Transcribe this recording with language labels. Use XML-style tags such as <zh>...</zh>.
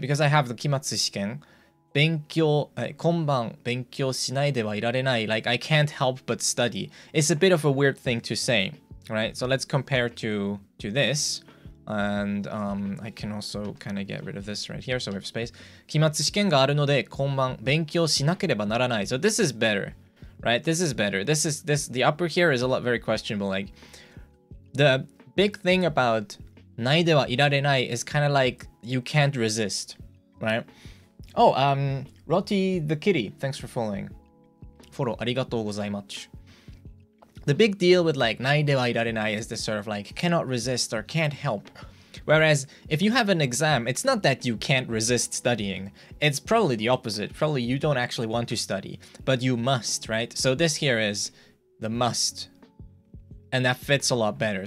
<en>Because I have the 期末試験,</en> <ja>勉強、今晩勉強しないではいられない,</ja> <en>like I can't help but study. It's a bit of a weird thing to say, right? So let's compare to this. And I can also kind of get rid of this right here, so we have space.</en> <ja>期末試験があるので今晩勉強しなければならない.</ja> <en>So this is better, right? This is better. This is the upper here is a lot very questionable. Like the big thing about ないではいられない is kind of like you can't resist, right? Oh, Roti the Kitty, thanks for following.</en> <ja>フォローありがとうございます.</ja> <en>The big deal with like ないではいられない is this sort of like cannot resist or can't help. Whereas if you have an exam, it's not that you can't resist studying. It's probably the opposite. Probably you don't actually want to study, but you must, right? So this here is the must, and that fits a lot better.</en>